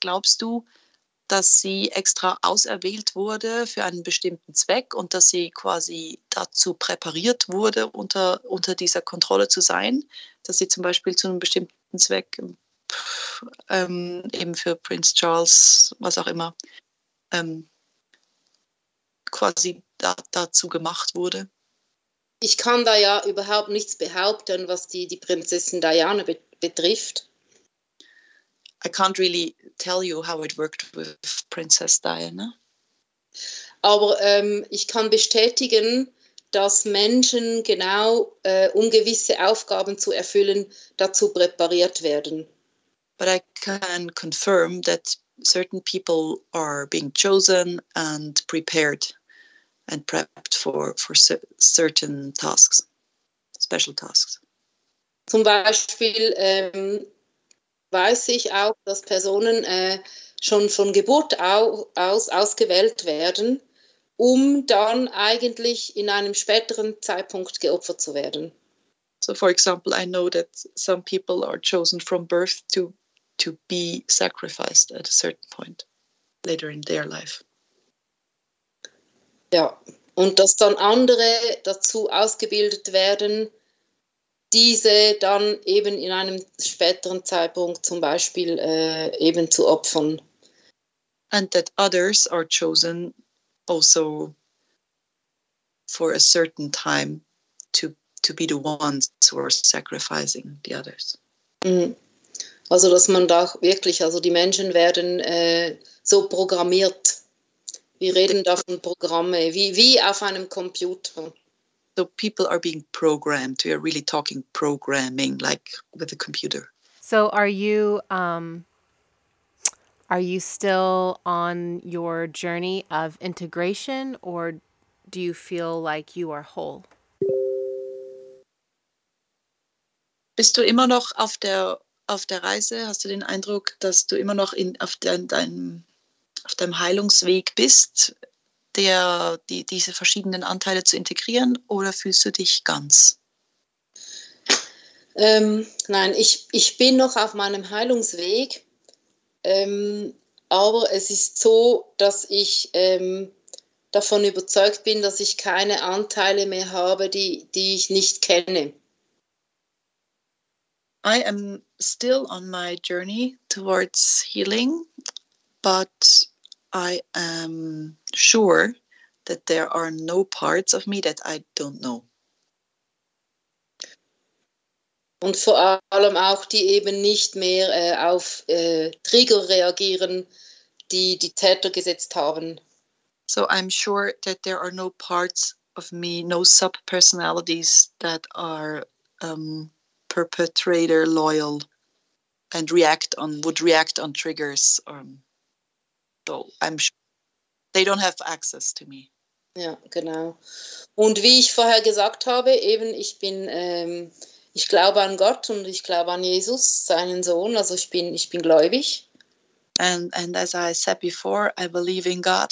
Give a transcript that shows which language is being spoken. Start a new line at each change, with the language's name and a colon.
German: Glaubst du, dass sie extra auserwählt wurde für einen bestimmten Zweck und dass sie quasi dazu präpariert wurde, unter dieser Kontrolle zu sein, dass sie zum Beispiel zu einem bestimmten Zweck eben für Prinz Charles, was auch immer, quasi dazu gemacht wurde? Ich kann da ja überhaupt nichts behaupten, was die Prinzessin Diana betrifft.
English: I can't really tell you how it worked with Princess Diana.
German: Aber ich kann bestätigen, dass Menschen genau, um gewisse Aufgaben zu erfüllen, dazu präpariert werden.
English: But I can confirm that certain people are being chosen and prepared and prepped for certain tasks, special tasks.
German: Zum Beispiel... weiß ich auch, dass Personen schon von Geburt aus ausgewählt werden, um dann eigentlich in einem späteren Zeitpunkt geopfert zu werden.
English: So for example, I know that some people are chosen from birth to be sacrificed at a certain point later in their life.
German: Ja, und dass dann andere dazu ausgebildet werden, diese dann eben in einem späteren Zeitpunkt zum Beispiel eben zu opfern.
English: And that others are chosen also for a certain time to be the ones who are sacrificing the others.
German: Also dass man da wirklich, also die Menschen werden so programmiert. Wir reden da von Programme, wie auf einem Computer.
English: So people are being programmed. We are really talking programming, like with a computer. So are you still on your journey of integration, or do you feel like you are whole?
German: Bist du immer noch auf der Reise? Hast du den Eindruck, dass du immer noch auf deinem Heilungsweg bist? Diese verschiedenen Anteile zu integrieren, oder fühlst du dich ganz? Nein, ich bin noch auf meinem Heilungsweg, aber es ist so, dass ich davon überzeugt bin, dass ich keine Anteile mehr habe, die ich nicht kenne.
English: I am still on my journey towards healing, but I am sure that there are no parts of me that I don't know.
German: Und vor allem auch die eben nicht mehr auf Trigger reagieren, die Täter gesetzt haben.
English: So I'm sure that there are no parts of me, no sub-personalities that are perpetrator loyal and would react on triggers. They don't have access to me.
German: Ja, genau. Und wie ich vorher gesagt habe, eben ich bin, ich glaube an Gott und ich glaube an Jesus, seinen Sohn. Also ich bin gläubig.
English: And as I said before, I believe in God.